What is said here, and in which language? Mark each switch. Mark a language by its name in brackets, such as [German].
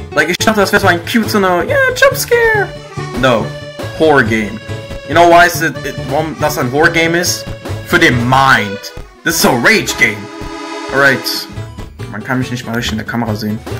[German] Like, ich dachte, das wäre so ein cute, [English] so yeah, jump scare! No. Horror game. You know why that's a horror game is? For the mind. This is a rage game. Alright. [German] Man kann mich nicht mal richtig in der Kamera sehen.